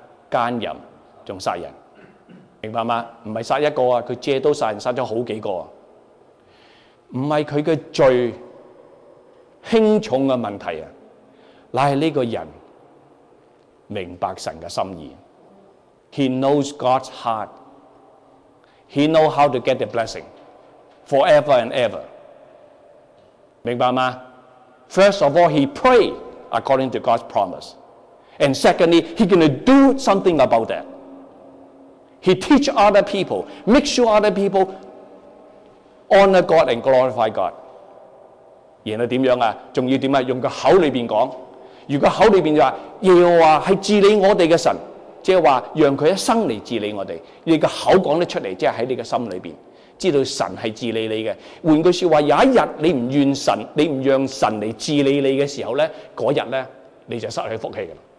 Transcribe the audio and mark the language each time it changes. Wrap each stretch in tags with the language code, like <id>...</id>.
<zh>奸淫还杀人，明白吗？不是杀一个，他借刀杀人杀了好几个，不是他的罪轻重的问题，乃是这个人明白神的心意。</zh> <en>He knows God's heart. He knows how to get the blessing forever and ever.</en> <zh>明白吗？</zh> <en>First of all, he prayed according to God's promise. And secondly, he's going to do something about that. He teach other people, make sure other people honor God and glorify God.</en> <zh>然后怎样啊？还要怎样？用个口里面讲。如果口里面就说耶和华是治理我们的神，即是说让他一生来治理我们，你的口讲得出来，即是在你的心里面知道神是治理你的。换句话，有一天你不愿神，你不让神来治理你的时候，那天呢你就失去福气了。</zh>